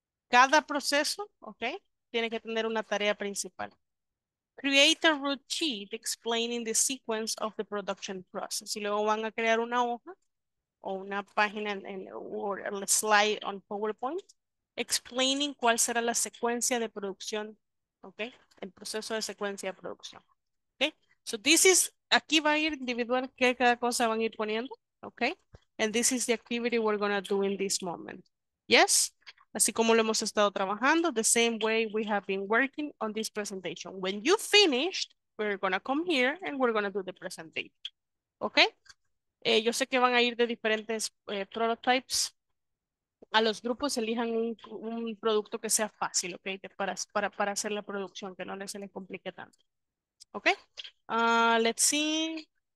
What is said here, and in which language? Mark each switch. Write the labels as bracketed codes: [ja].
[es] Cada proceso, okay, tiene que tener una tarea principal. [en] Create a routine explaining the sequence of the production process. [es] Y luego van a crear una hoja o una página en [en] or a slide on PowerPoint explaining [es] cuál será la secuencia de producción, okay, el proceso de secuencia de producción. [en] Okay, so this is, [es] aquí va a ir individual que cada cosa van a ir poniendo, okay? [en] And this is the activity we're gonna do in this moment. Yes, [es] así como lo hemos estado trabajando, [en] the same way we have been working on this presentation. When you finished, we're gonna come here and we're gonna do the presentation, okay? [es] Yo sé que van a ir de diferentes prototypes a los grupos, elijan un producto que sea fácil, okay? Para hacer la producción, que no se les complique tanto. [en] Okay, let's see.